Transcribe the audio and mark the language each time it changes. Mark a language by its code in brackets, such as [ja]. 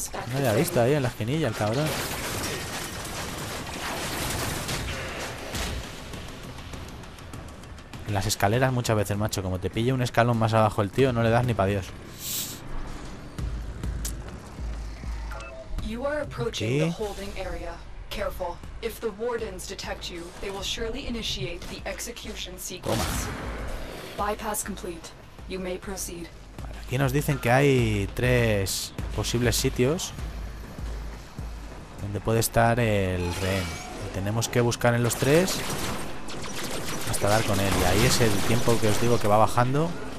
[es] No había visto ahí en la esquinilla el cabrón. En las escaleras muchas veces, macho, como te pille un escalón más abajo el tío, no le das ni pa' Dios. [en] You are approaching the holding area. Careful. If the wardens detect you, they will surely initiate the execution sequence. Bypass complete. You may proceed. [es] Aquí nos dicen que hay tres posibles sitios donde puede estar el rehén. Tenemos que buscar en los tres hasta dar con él. Y ahí es el tiempo que os digo que va bajando.